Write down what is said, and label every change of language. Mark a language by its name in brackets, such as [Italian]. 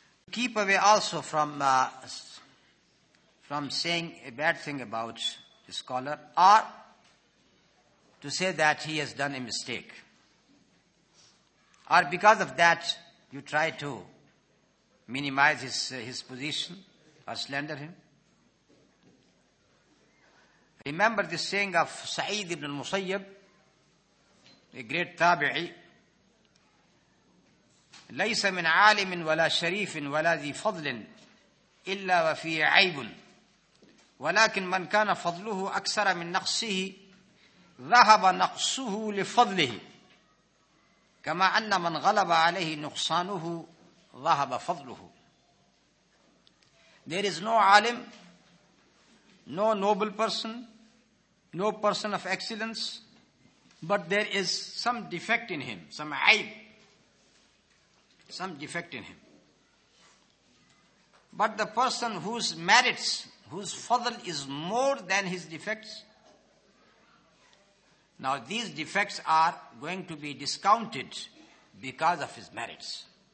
[English] Keep away also from saying a bad thing about the scholar, or to say that he has done a mistake, or because of that you try to minimize his position or slander him. Remember the saying of Sa'id ibn al-Musayyib, a great tabi'i, [Arabic] ليس من عالم ولا شريف ولا ذي فضل إلا وفي عيب ولكن من كان فضله أكثر من نقصه ذهب نقصه لفضله كما أن من غلب عليه نقصانه ذهب فضله. [English] There is no alim, no noble person, no person of excellence, but there is some defect in him, some عيب. Some defect in him. But the person whose merits, whose fadl is more than his defects, now these defects are going to be discounted because of his merits.